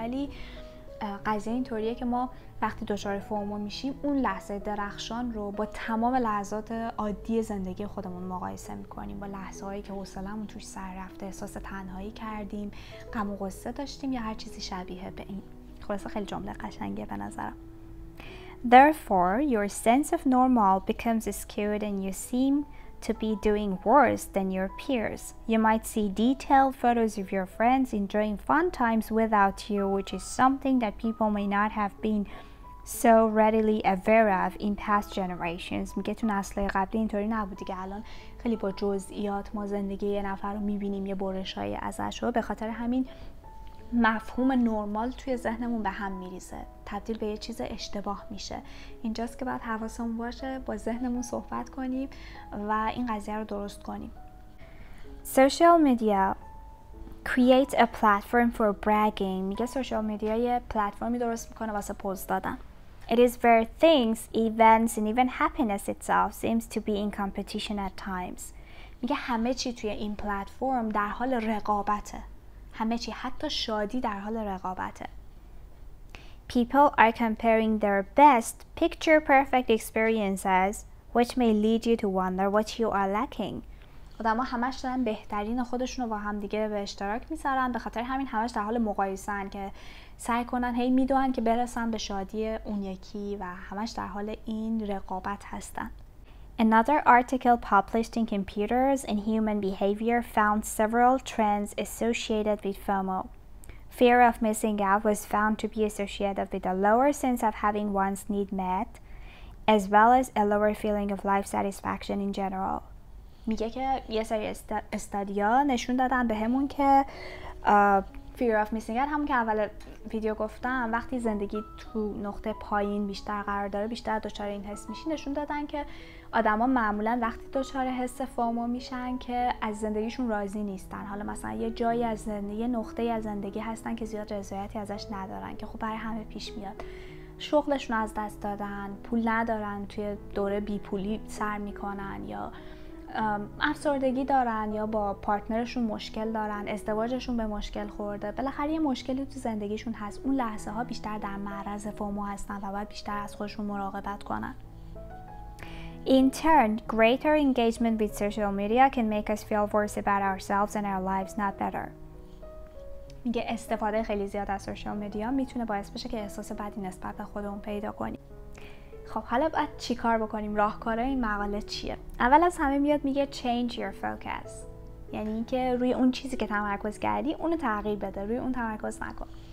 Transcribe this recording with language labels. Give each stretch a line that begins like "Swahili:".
Persian: ولی قضیه اینطوریه که ما وقتی دچار فومو میشیم اون لحظه درخشان رو با تمام لحظات عادی زندگی خودمون مقایسه میکنیم، با لحظه هایی که حوصله‌مون توش سر رفته، احساس تنهایی کردیم، غم و غصه داشتیم یا هر چیزی شبیه به این. خلاصه خیلی جمله قشنگه به نظرم.
English: Therefore, your sense of normal becomes skewed and you seem to be doing worse than your peers. You might see detailed photos of your friends enjoying fun times without you, which is something that people may not have been so readily aware of in past generations.
Persian: میگه تو نسل قبلی اینطوری نبود دیگه. الان خیلی با جزئیات ما زندگی یه نفر رو میبینیم، یه برشای ازش رو. به خاطر همین مفهوم نرمال توی ذهنمون به هم میریزه، تبدیل به یه چیز اشتباه میشه. اینجاست که باید حواسمون باشه، با ذهنمون صحبت کنیم و این قضیه رو درست کنیم.
English: Social media creates a platform for bragging.
Persian: میگه سوشال میدیا یه پلتفرمی درست میکنه واسه پوز دادن.
English: It is where things, events and even happiness itself seems to be in competition at times.
Persian: میگه همه چی توی این پلتفرم در حال رقابته، همه چی، حتی شادی در حال رقابته.
English: People are comparing their best picture perfect experiences which may lead you to wonder what you are lacking.
Persian: آدم ها همش دارن بهترین خودشون رو با هم دیگه به اشتراک میذارن، به خاطر همین همش در حال مقایسن که سعی کنن هی میدونن که برسن به شادی اون یکی و همش در حال این رقابت هستن.
English: Another article published in Computers and Human Behavior found several trends associated with FOMO. Fear of missing out was found to be associated with a lower sense of having one's need met, as well as a lower feeling of life satisfaction in general.
Persian: میگه که یه سری استادیا نشون دادن بهمون که
English: fear of missing out،
Persian: همون که اول ویدیو گفتم، وقتی زندگی تو نقطه پایین بیشتر قرار داره بیشتر دچار این حس میشی. نشون دادن که آدم ها معمولا وقتی دچار حس فومو میشن که از زندگیشون راضی نیستن. حالا مثلا یه جایی از زندگی، یه نقطه از زندگی هستن که زیاد رضایتی ازش ندارن، که خب برای همه پیش میاد. شغلشون از دست دادن، پول ندارن، توی دوره بی پولی سر میکنن، یا افسردگی دارن، یا با پارتنرشون مشکل دارن، ازدواجشون به مشکل خورده، بالاخره یه مشکلی تو زندگیشون هست. اون لحظه ها بیشتر در معرض فومو هستن و باید بیشتر از خودشون مراقبت کنن.
English: In turn, greater engagement with social media can make us feel worse about ourselves and our lives, not better.
Persian: میگه استفاده خیلی زیاد از سوشال میدیا میتونه باعث بشه که احساس بدی نسبت به خودمون پیدا کنیم. خب حالا بعد چی کار بکنیم؟ راهکارهای این مقاله چیه؟ اول از همه میاد میگه
English: change your focus.
Persian: یعنی اینکه روی اون چیزی که تمرکز کردی اونو تغییر بده، روی اون تمرکز نکن.